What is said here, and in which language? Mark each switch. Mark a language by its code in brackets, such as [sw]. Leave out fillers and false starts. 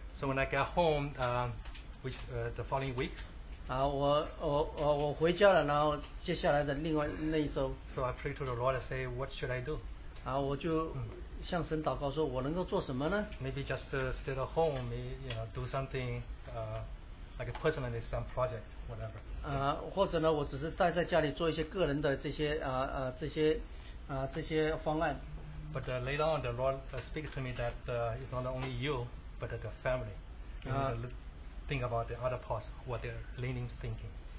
[en] So when I get home, the following week. [zh] 我回家了，然后接下来的另外那一周。 [en] So I pray to the Lord and say, what should I do? [zh] 我就向神祷告说，我能够做什么呢？ [en] Maybe just stay at home, maybe, you know, do something, like a personally some project, whatever. [zh] 或者呢，我只是待在家里做一些个人的这些方案。 [en] But later on, the Lord speaks to me that it's not only you, but the family. Think about the other parts, what their leaning is thinking.